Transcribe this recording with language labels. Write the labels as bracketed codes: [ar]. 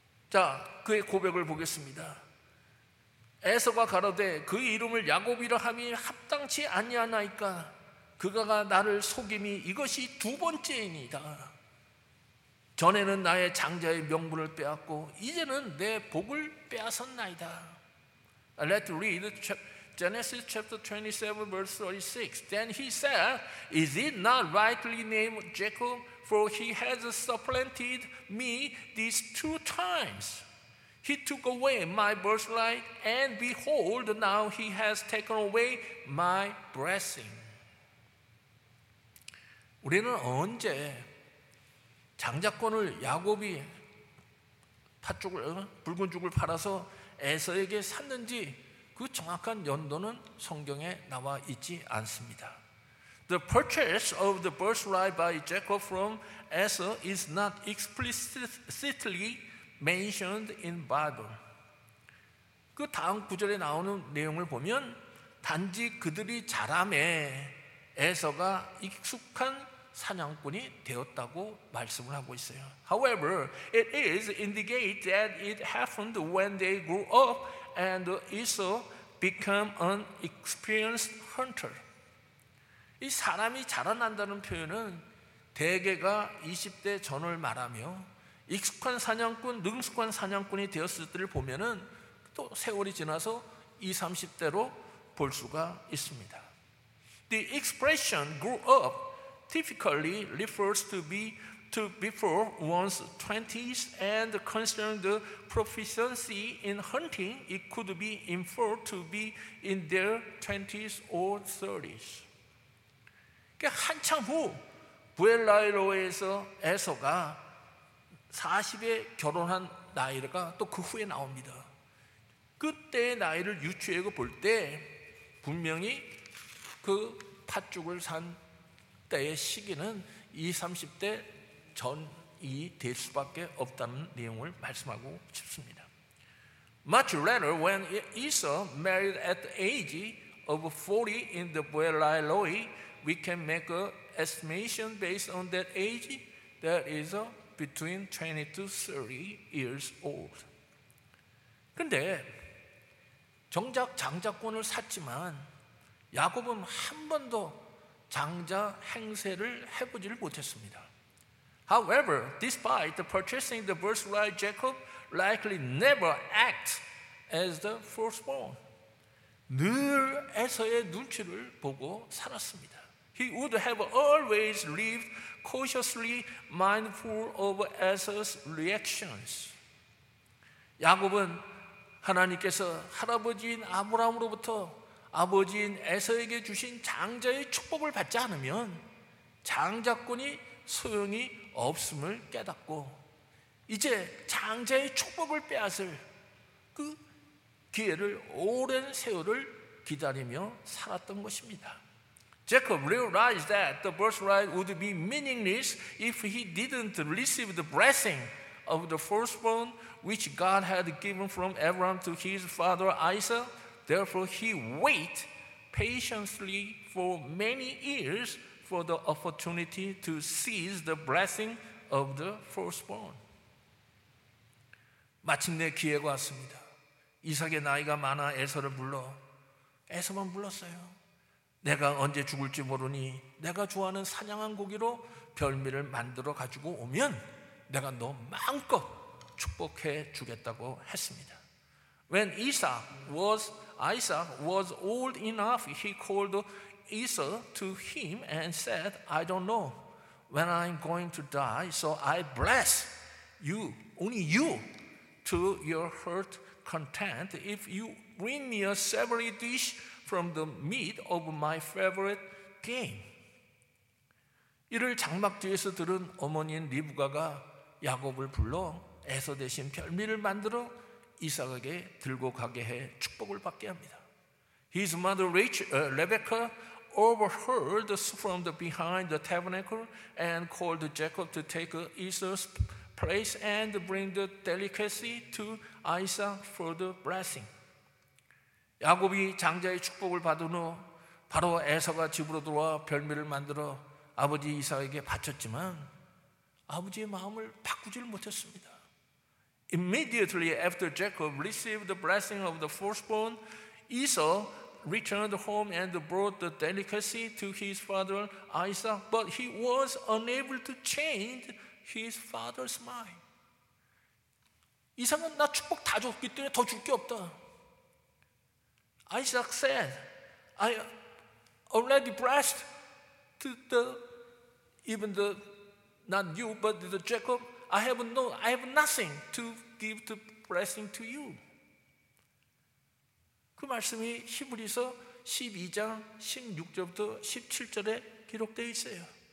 [ko] 자, 그의 고백을 보겠습니다. 에서가 가로되 그 이름을 야곱이라 함이 합당치 아니하나이까? 그가 나를 속임이 이것이 두 번째이니이다. 전에는 나의 장자의 명분을 빼앗고 이제는 내 복을 빼앗었나이다. [en] Let's read Genesis chapter 27 verse 36. Then he said, Is it not rightly named Jacob? For he has supplanted me these two times. He took away my birthright, and behold, now he has taken away my blessing. [ko] 우리는 언제 장자권을 야곱이 팥죽을 붉은 죽을 팔아서 에서에게 샀는지 그 정확한 연도는 성경에 나와 있지 않습니다. [en] The purchase of the birthright by Jacob from Esau is not explicitly mentioned in Bible. [ko] 그 다음 구절에 나오는 내용을 보면 단지 그들이 자람에 에서가 익숙한 사냥꾼이 되었다고 말씀을 하고 있어요. [en] However, it is indicated that it happened when they grew up and Esau became an experienced hunter. [ko] 이 사람이 자라난다는 표현은 대개가 20대 전을 말하며 익숙한 사냥꾼, 능숙한 사냥꾼이 되었을 때를 보면은 또 세월이 지나서 20, 30대로 볼 수가 있습니다. [en] The expression grew up typically refers to before one's 20s and concerning the proficiency in hunting, it could be inferred to be in their 20s or 30s. [ko] 한참 후 부엘라이로에서 에서가 40에 결혼한 나이가 또 그 후에 나옵니다. 그때의 나이를 유추해서 볼 때 분명히 그 팥죽을 산 때의 시기는 20, 30대 전이 될 수밖에 없다는 내용을 말씀하고 싶습니다. [en] Much later, when Esau married at the age of 40 in the Buelaloi, we can make an estimation based on that age that is between 20 to 30 years old. [ko] 근데 정작 장자권을 샀지만 야곱은 한 번도 장자 행세를 해보지를 못했습니다. [en] However, despite purchasing the birthright, Jacob likely never acts as the firstborn. [ko] 늘 에서의 눈치를 보고 살았습니다. [en] He would have always lived cautiously mindful of Esau's reactions. [ko] 야곱은 하나님께서 할아버지인 아브라함으로부터 아버지인 에서에게 주신 장자의 축복을 받지 않으면 장자권이 소용이 없음을 깨닫고 이제 장자의 축복을 빼앗을 그 기회를 오랜 세월을 기다리며 살았던 것입니다. [en] Jacob realized that the birthright would be meaningless if he didn't receive the blessing of the firstborn which God had given from Abraham to his father Isaac. Therefore, he waited patiently for many years for the opportunity to seize the blessing of the firstborn. [ko] 마침내 기회가 왔습니다. 이삭의 나이가 많아 에서를 불러 에서만 불렀어요. 내가 언제 죽을지 모르니 내가 좋아하는 사냥한 고기로 별미를 만들어 가지고 오면 내가 너 마음껏 축복해 주겠다고 했습니다. [en] When Isaac was old enough, he called Esau to him and said, I don't know when I'm going to die, so I bless you, only you, to your heart content if you bring me a savory dish from the meat of my favorite game. [ko] 이를 장막 뒤에서 들은 어머니인 리브가가 야곱을 불러 에서 대신 별미를 만들어 이삭에게 들고 가게 해 축복을 받게 합니다. [en] His mother Rebecca overheard from the behind the tabernacle and called Jacob to take Esau's place and bring the delicacy to Isaac for the blessing. [ko] 야곱이 장자의 축복을 받은 후 바로 에서가 집으로 들어와 별미를 만들어 아버지 이삭에게 바쳤지만 아버지의 마음을 바꾸질 못했습니다. [en] Immediately after Jacob received the blessing of the firstborn, Esau returned home and brought the delicacy to his father Isaac, but he was unable to change his father's mind. [ko] 이삭은 나 축복 다 줬기 때문에 더 줄 게 없다. [en] Isaac said, I already blessed to the even the not you but the Jacob. I have nothing to give the blessing to you. [ko] 그 말씀이 히브리서 12장 16절부터 17절에 기록되어 있어요.